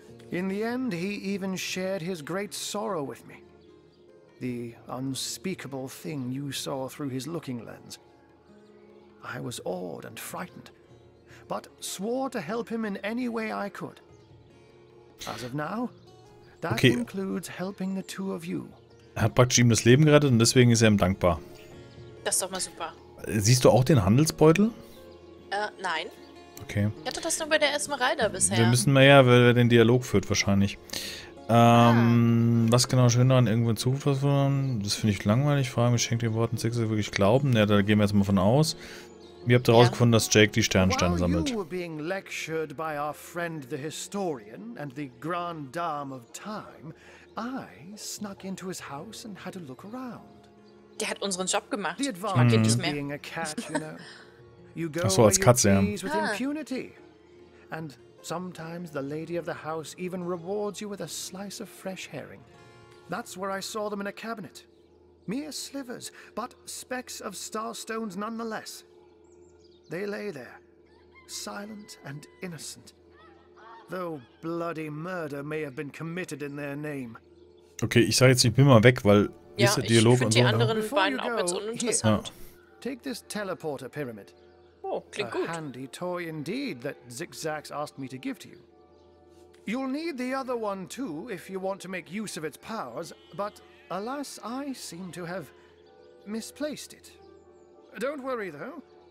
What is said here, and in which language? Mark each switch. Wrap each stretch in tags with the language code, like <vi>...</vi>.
<en>In the end he even shared his great sorrow with me. The unspeakable thing you saw through his looking lens. I was awed and frightened, but swore to help him in any way I could. As of now, that okay. Includes helping the two of you.</en> <de>Er hat praktisch ihm das Leben gerettet und deswegen ist er ihm dankbar. Das ist doch mal super. Siehst du auch den Handelsbeutel? Nein. Okay. Ich hatte das nur bei der Esmeralda bisher. Wir müssen mehr, weil er den Dialog führt wahrscheinlich. Was genau schön daran, irgendwann zuversichern? Das finde ich langweilig. Frage mich, schenkt ihr Worten Zigzag wirklich Glauben? Ja, da gehen wir jetzt mal von aus. Ihr habt herausgefunden, dass Jake die Sternsteine sammelt.</de> <en>While you were being lectured by our friend the historian and the grand dame of time, I snuck into his house and had a look around.</en> <de>Der hat unseren Job gemacht. Ich mag ihn nicht mehr.</de> <en>Being a cat, you know. You go</en> <de>Achso, als Katze, ja.</de> <en>With impunity. And sometimes the lady of the house even rewards you with a slice of fresh herring. That's where I saw them in a cabinet. Mere slivers, but specks of starstones nonetheless. They lay there, silent and innocent. Though bloody murder may have been committed in their name.</en> <de>Okay, ich sag jetzt, ich bin mal weg, weil ja, ist der Dialog und so. Ja, ich finde die anderen beiden auch jetzt uninteressant.</de> <en>Take this teleporter pyramid.</en> <de>Oh, klingt gut.</de> <en>A handy toy indeed that Zigzags asked me to give to you. You'll need the other one too if you want to make use of its powers, but alas, I seem to have misplaced it. Don't worry though.</en>